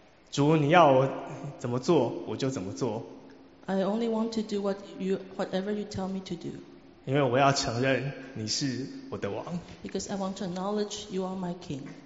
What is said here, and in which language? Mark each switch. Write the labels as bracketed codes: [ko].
[zh] 主，你要我怎么做，我就怎么做。 [en] I only want to do whatever you tell me to do. [zh] 因为我要承认你是我的王。 [en] Because I want to acknowledge you are my King.